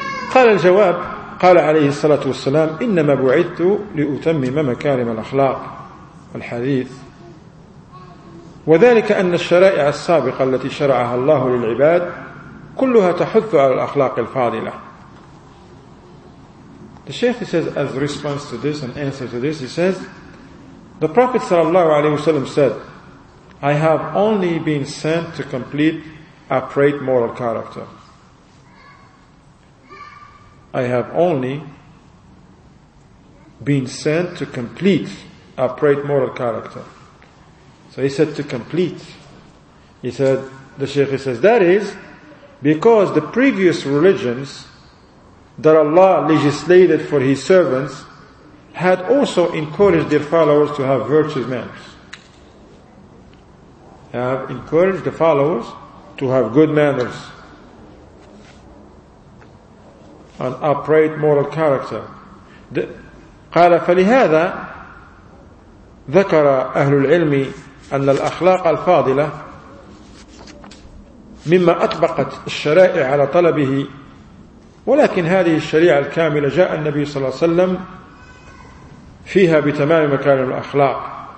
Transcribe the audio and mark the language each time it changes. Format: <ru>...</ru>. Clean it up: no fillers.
<ar>قال الجواب قال عليه الصلاة والسلام إنما بعثت لأتمم مكارم الأخلاق الحديث وذلك أن الشرائع السابقة التي شرعها الله للعباد كلها تحث على الأخلاق الفاضلة.</ar> <en>The Shaykh says, as response to this and answer to this, he says, the Prophet sallallahu alaihi wasallam said, I have only been sent to complete upright moral character. I have only been sent to complete upright moral character. So he said to complete. He said, the Shaykh says, that is because the previous religions that Allah legislated for His servants had also encouraged their followers to have virtuous manners. Have encouraged the followers to have good manners and upright moral character.</en> <ar>قال فلهذا ذكر أهل العلم أن الأخلاق الفاضلة مما أطبقت الشرائع على طلبه، ولكن هذه الشريعة الكاملة جاء النبي صلى الله عليه وسلم فيها بتمام مكارم الأخلاق.</ar>